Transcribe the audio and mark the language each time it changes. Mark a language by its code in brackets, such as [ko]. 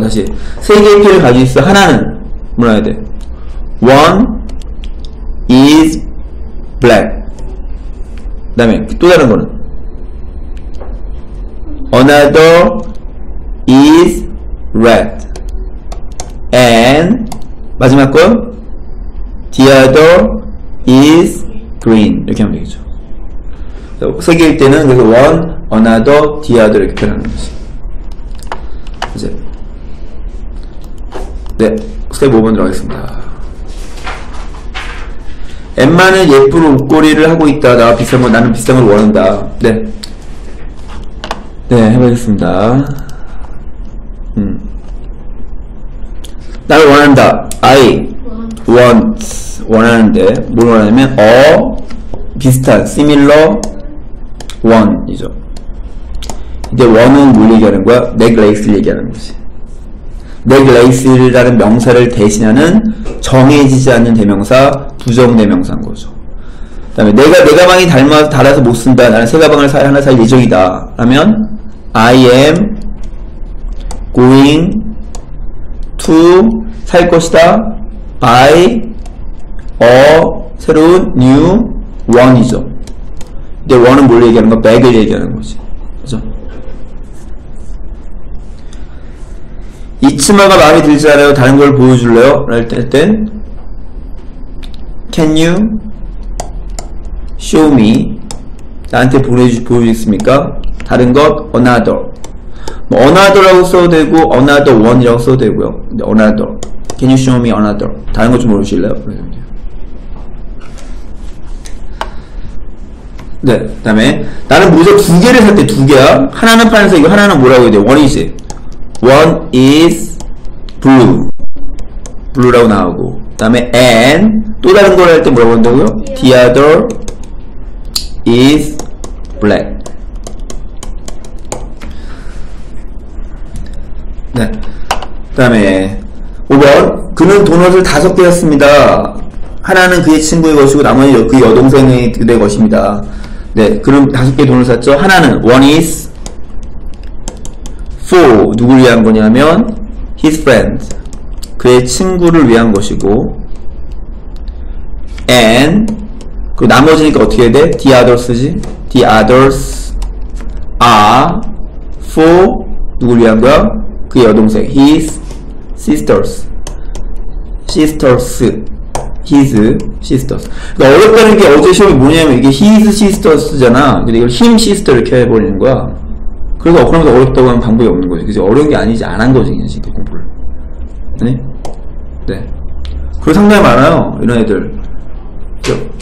[ko] 다시 세 개의 펜을 가지고 있어. 하나는 뭐라 해야 돼? [en] One is black. [ko] 그 다음에 또 다른 거는 [en] Another is red. And [ko] 마지막 건 [en] The other is green. [ko] 이렇게 하면 되겠죠. 세 개일 때는 그래서 [en] One, another, the other [ko] 이렇게 표현하는 거지. 이제 네 스텝 5번 들어가겠습니다. 엠마는 예쁜 옷걸이를 하고 있다. 나와 비슷한 건 나는 비슷한 걸 원한다. 네, 네 해보겠습니다. 나를 원한다. [en] I want [ko] 원하는데 뭘 원하냐면 어 비슷한 [en] similar one [ko] 이죠. 이제 원은 뭘 얘기하는 거야? 넥레이스를 얘기하는 거지. 넥레이스라는 명사를 대신하는 정해지지 않는 대명사, 부정 대명사인 거죠. 그 다음에 내 가방이 달아서 못 쓴다. 나는 새 가방을 하나 살 예정이다. 라면 [en] I am going to [ko] 살 것이다. [en] buy a [ko] 새로운 [en] new one이죠. [ko] 이제 원은 뭘 얘기하는 거야? 백을 얘기하는 거지. 그죠? 이 치마가 마음에 들지 않아요? 다른 걸 보여줄래요? 할 땐 [en] Can you show me? [ko] 나한테 보여주겠습니까? 다른 것 another. 뭐 another라고 써도 되고 another one이라고 써도 되고요. [en] another. Can you show me another? [ko] 다른 것 좀 보여주실래요? 네, 그다음에 나는 모자 두 개를 샀대. 두 개야. 하나는 파란색이고 하나는 뭐라고 해야 돼? 원이지. [en] One is blue. blue라고 나오고. [ko] 그 다음에 and 또 다른 걸 할 때 뭐라고 한다고요? [en] The other is black. [ko] 네. 그 다음에 5번. 그는 도넛을 다섯 개 샀습니다. 하나는 그의 친구의 것이고 나머지는 그 여동생의 그대 것입니다. 네, 그럼 다섯 개 돈을 샀죠. 하나는 [en] one is for [ko] 누구를 위한 거냐면 [en] his friend [ko] 그의 친구를 위한 것이고 and 그 나머지니까 어떻게 해야 돼? [en] The others지? The others are for [ko] 누구를 위한 거야? 그 여동생 [en] his sisters sisters. His sisters. [ko] 그러니까 어렵다는 게 어제 시험이 뭐냐면 이게 [en] his sisters [ko] 잖아. 근데 이걸 [en] him sister [ko] 이렇게 해버리는 거야. 그래서 그러면서 어렵다고 하면 방법이 없는 거지. 그지? 어려운 게 아니지. 안 한 거지. 그냥 지금 공부를. 아니? 네. 그리고 상당히 많아요. 이런 애들. 그죠?